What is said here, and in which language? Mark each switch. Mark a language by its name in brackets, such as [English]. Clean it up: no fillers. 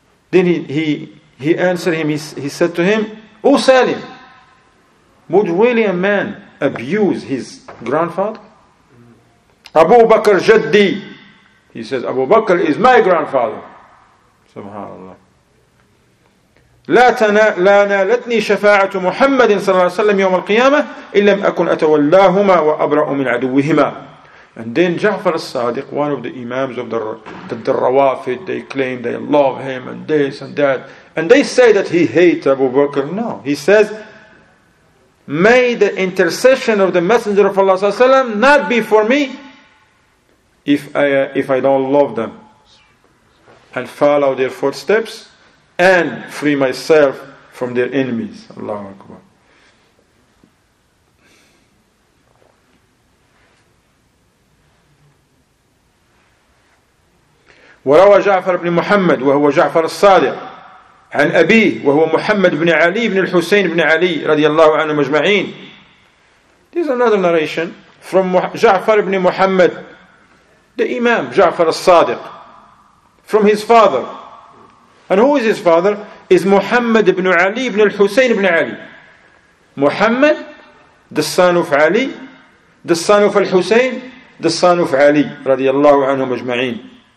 [English] Then he answered him, he said to him, O Salim, would really a man abuse his grandfather? Abu Bakr Jaddi, he says, Abu Bakr is my grandfather. SubhanAllah. [Arabic] لا نالتني شفاعة محمد صلى الله عليه وسلم يوم القيامة إن لم أكن أتولاهما وأبرأ من عدوهما. [English] And then Ja'far al-Sadiq, one of the imams of the Rawafid, they claim they love him and this and that. And they say that he hates Abu Bakr. No, he says, may the intercession of the Messenger of Allah وسلم, not be for me if I don't love them and follow their footsteps and free myself from their enemies. Allahu Akbar. [Arabic] وروى جعفر بن محمد وهو جعفر الصادق عن أبيه وهو محمد بن علي بن الحسين بن علي رضي الله عنه مجمعين. [English] This is another narration from Ja'far ibn Muhammad, the Imam Ja'far al-Sadiq, from his father. And who is his father? Is Muhammad ibn Ali ibn al-Husayn ibn Ali. Muhammad, the son of Ali, the son of al-Husayn, the son of Ali [Arabic] رضي الله عنه مجمعين.